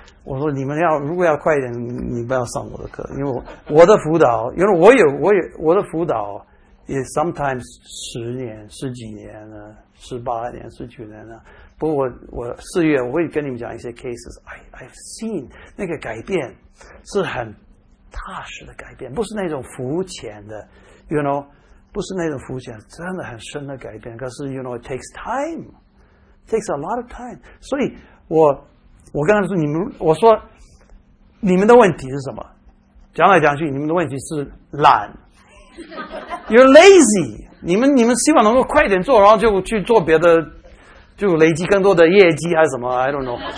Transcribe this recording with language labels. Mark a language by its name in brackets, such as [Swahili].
[Chinese] 我说你们要如果要快一点，你不要上我的课，因为我的辅导，因为我有我的辅导也 sometimes 十年十几年了，十八年十九年了。不过我四月我会跟你们讲一些 cases， [English] I've seen [Chinese] 那个改变是很踏实的改变，不是那种浮浅的 [English] you know [Chinese] 不是那种浮现，真的很深的改变。可是 [English] you know it takes time, it takes a lot of time. [Chinese] 所以我刚才说你们，我说你们的问题是什么？讲来讲去，你们的问题是懒。 [English] You're lazy. [Chinese] 你们希望能够快点做，然后就去做别的，就累积更多的业绩还是什么 ？ [English] I don't know.